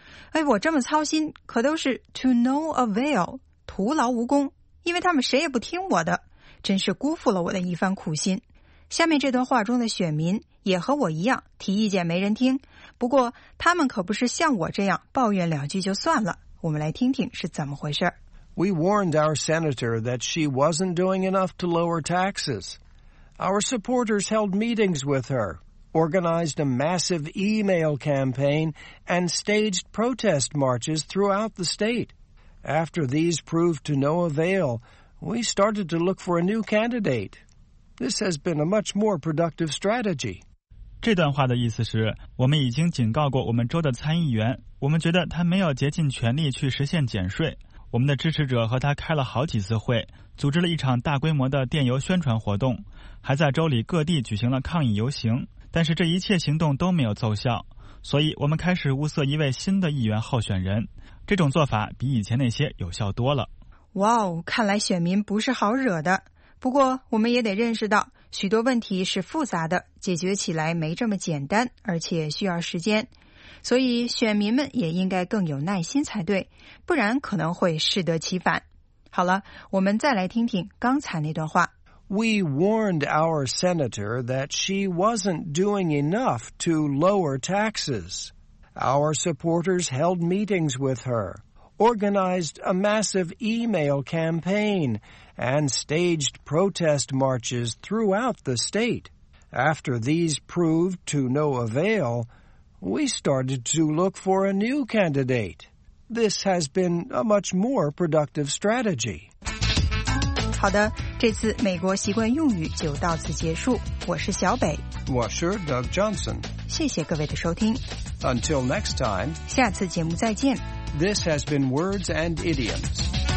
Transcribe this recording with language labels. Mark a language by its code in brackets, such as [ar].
[zh] 哎，我这么操心，可都是 [en] to no avail, [zh] 徒劳无功，因为他们谁也不听我的，真是辜负了我的一番苦心。下面这段话中的选民也和我一样提意见没人听，不过他们可不是像我这样抱怨两句就算了，我们来听听是怎么回事。 [en] We warned our senator that she wasn't doing enough to lower taxes. Our supporters held meetings with her, organized a massive email campaign, and staged protest marches throughout the state. After these proved to no avail, we started to look for a new candidate. This has been a much more productive strategy. [zh] 这段话的意思是，我们已经警告过我们州的参议员，我们觉得他没有竭尽全力去实现减税。我们的支持者和他开了好几次会，组织了一场大规模的电邮宣传活动，还在州里各地举行了抗议游行，但是这一切行动都没有奏效，所以我们开始物色一位新的议员候选人。这种做法比以前那些有效多了。哇哦，看来选民不是好惹的。不过我们也得认识到，许多问题是复杂的，解决起来没这么简单，而且需要时间，所以选民们也应该更有耐心才对，不然可能会适得其反。好了，我们再来听听刚才那段话。 [en] We warned our senator that she wasn't doing enough to lower taxes. Our supporters held meetings with her, organized a massive email campaignand staged protest marches throughout the state. After these proved to no avail, we started to look for a new candidate. This has been a much more productive strategy. [zh] 好的，这次美国习惯用语就到此结束。我是小北。我是 Doug Johnson。谢谢各位的收听。 [en] Until next time. [zh] 下次节目再见。 [en] This has been Words and Idioms.